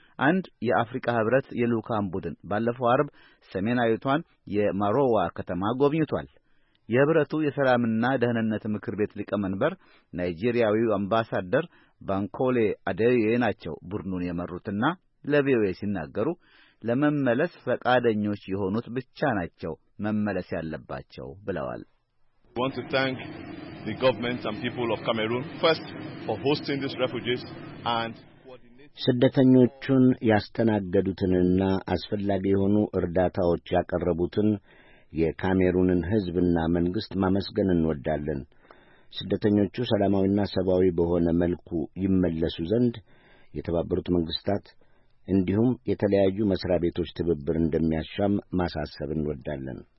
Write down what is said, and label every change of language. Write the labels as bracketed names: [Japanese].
[Amharic] አንድ የአፍሪካ ህብረት የልዑካን ቡድን ባለፈው አርብ ሰሜናዊቷን የማሮዋ ከተማ ጎብኝቷል። የህብረቱ የሰላምና ደህንነት ምክር ቤት ሊቀመንበር ናይጄሪያዊው አምባሳደር ባንኮሌ አደዬ ናቸው ቡድኑን የመሩትና ለቪኦኤ ሲናገሩ ለመመለስ ፈቃደኞች የሆኑት ብቻ ናቸው መመለስ ያለባቸው ብለዋል። [English] Want to thank the government and people of Cameroon first for hosting these refugees and [Amharic] ስደተኞቹን ያስተናገዱትንና አስፈላጊ የሆኑ እርዳታዎች ያቀረቡትን የካሜሩንን ህዝብና መንግስት ማመስገን እንወዳለን። ስደተኞቹ ሰላማዊና ሰብአዊ በሆነ መልኩ ይመለሱ ዘንድ የተባበሩት መንግስታት እንዲሁም የተለያዩ መስሪያ ቤቶች ትብብር እንደሚያሻም ማሳሰብ እንወዳለን።